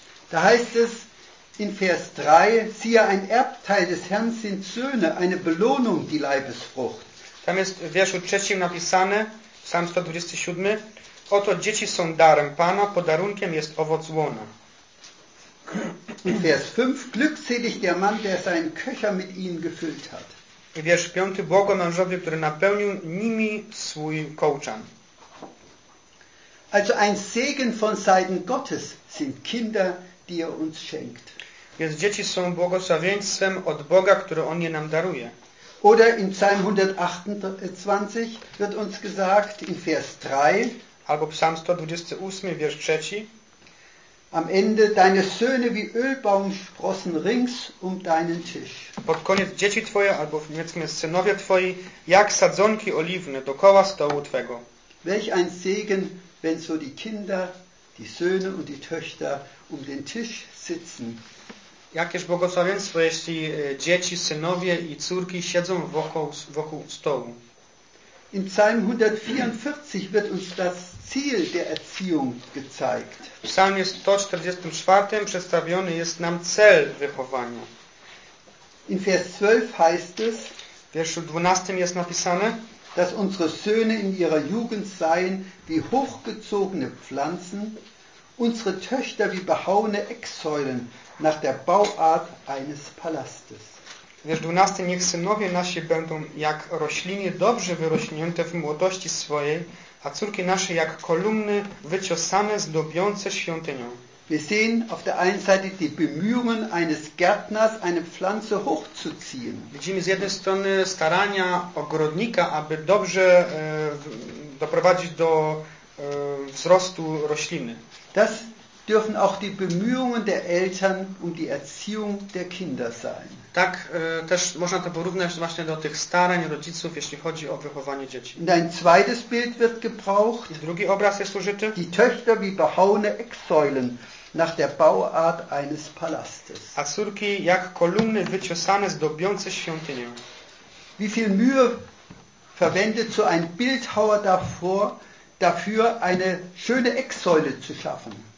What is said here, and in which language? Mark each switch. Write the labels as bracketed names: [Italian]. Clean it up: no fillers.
[German] Da heißt es in Vers 3, siehe, ein Erbteil des Herrn sind Söhne, eine Belohnung, die Leibesfrucht. [Polish] Tam jest w wierszu trzecim napisane, Psalm 127, oto dzieci są darem Pana, podarunkiem jest owoc łona. [German] In Vers 5, glückselig der Mann, der seinen Köcher mit ihnen gefüllt hat. [Polish] I wiersz piąty, błogo mężowi, który napełnił nimi swój kołczan. [German] Also ein Segen von Seiten Gottes sind Kinder, die er uns schenkt. [Polish] Więc dzieci są błogosławieństwem od Boga, które On je nam daruje. [German] Oder in Psalm 128 wird uns gesagt, in Vers 3, [Polish] albo Psalm 128, wiersz trzeci, [German] Am Ende deine Söhne wie Ölbaumsprossen rings um deinen Tisch. [Polish] Pod koniec dzieci twoje, albo w niemieckim jest synowie twoi, jak sadzonki oliwne dookoła stołu twego. [German] Welch ein Segen, wenn so die Kinder, die Söhne und die Töchter um den Tisch sitzen. [Polish] Jakież błogosławieństwo, jeśli dzieci, synowie i córki siedzą wokół stołu. [German] In Psalm 144 wird uns das Ziel der Erziehung gezeigt. [Polish] W Psalmie 144 przedstawiony jest nam cel wychowania. [German] In Vers 12 heißt es, [Polish] w wierszu 12 jest napisane, [German] dass unsere Söhne in ihrer Jugend seien wie hochgezogene Pflanzen, unsere Töchter wie behauene Ecksäulen nach der Bauart eines Palastes. [Polish] Wiersz 12, niech synowie nasi będą jak rośliny dobrze wyrośnięte w młodości swojej, a córki nasze jak kolumny wyciosane zdobiące świątynią. [German] Wir sehen auf der einen Seite die Bemühungen eines Gärtners, eine Pflanze hochzuziehen. [Polish] Widzimy z jednej strony starania ogrodnika, aby dobrze doprowadzić do wzrostu rośliny. [German] Das dürfen auch die Bemühungen der Eltern um die Erziehung der Kinder sein. [Polish] Tak też można to porównać właśnie do tych starań rodziców, jeśli chodzi o wychowanie dzieci. [German] Ein zweites Bild wird gebraucht. [Polish] I drugi obraz jest użyty. [German] Die Töchter wie behauene Ecksäulen nach der Bauart eines Palastes. [Polish] A córki jak kolumny wyciosane zdobiące świątynię. [German] Wie viel Mühe verwendet so ein Bildhauer dafür eine schöne Ecksäule zu schaffen?